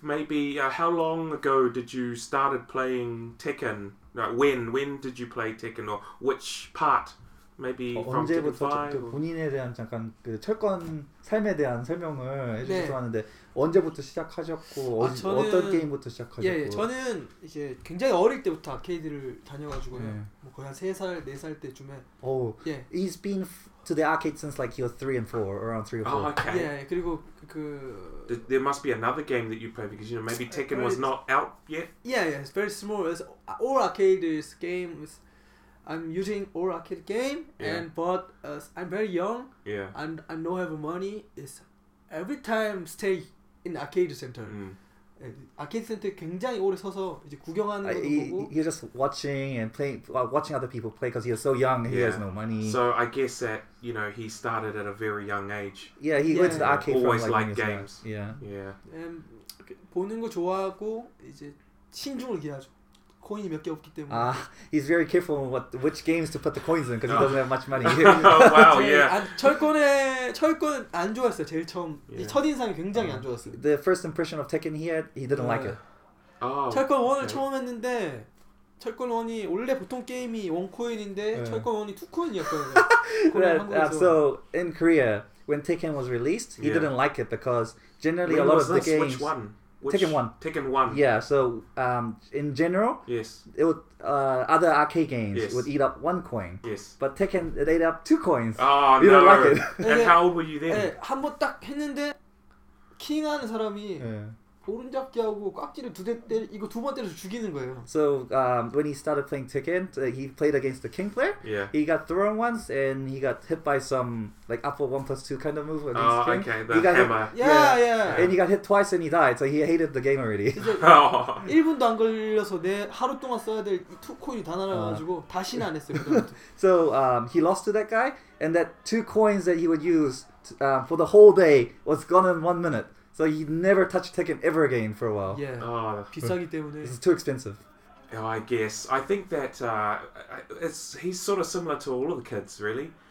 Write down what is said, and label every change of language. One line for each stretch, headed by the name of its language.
English: Maybe how long ago did you started playing Tekken? When did you play Tekken or which part? Maybe
Korean: 언제부터 그 본인에 대한 잠깐 그 철권 삶에 대한 설명을 해주셔서 하는데 언제부터 시작하셨고 어떤 게임부터 시작하셨고 예, 저는 이제 굉장히 어릴 때부터 아케이드를 다녀가지고 뭐 거의 한 3살, 4살 때쯤에
English: He's been to the arcade since like year 3 and 4, around 3 or 4. Oh, okay.
Korean: Yeah, 그리고 그...
English: There must be another game that you play because you know maybe Tekken was not out yet? Yeah, it's very small. It's all arcades games. I'm using old arcade game, and but I'm very young, and I don't have money. It's every time stay in arcade center. Arcade center
Korean: 굉장히 오래 서서 이제 구경하는 거 보고.
English: He's just watching and playing, watching other people play because he's so young. He has no money. So I guess that you know he started at a very young age. Yeah, he went to the arcade. Always from, like games. Well. Yeah.
Korean: 보는 거 좋아하고 이제 신중을 기하죠. 코인이 몇 개 없기 때문에.
English: He's very careful what which games to put the coins in because he doesn't have much money. Oh, wow, yeah.
Korean: 철권 안 좋았어요. 제일 처음 첫 인상이 굉장히 안 좋았어요.
English: The first impression of Tekken he had, he didn't like it. Oh,
Korean: 철권 원을 처음 했는데 철권 원이 원래 보통 게임이 원 코인인데 철권 원이 투 코인이었거든요.
English: So in Korea, when Tekken was released, he didn't like it because generally when a lot of the games. Which one? Tekken 1. Yeah, so in general, it would, other arcade games would eat up one coin. Yes. But Tekken, it ate up two coins. Oh, no. Like it. And how old were you then?
Korean: 한 번 딱 했는데, 킹 하는 사람이 오른잡기하고 깍지를 두 대 때려, 이거 두 번 때려서 죽이는 거예요.
English: So when he started playing Tekken, he played against the king player. Yeah. He got thrown once and he got hit by some like upper 1+2 kind of move. Oh, king. Okay. The he got hammer. Hit, yeah. And he got hit twice and he died. So he hated the game already.
Korean: 1분도 안 걸려서 내 하루 동안 써야 될 2 코인이 다 날아가지고 다시는 안 했어요.
English: So he lost to that guy and that 2 coins that he would use for the whole day was gone in 1 minute. So he never touched Tekken ever again for a while. Yeah. Oh,
Korean: 비싸기 때문에.
English: It's too expensive. Oh, I guess. I think that he's sort of similar to all of the kids, really.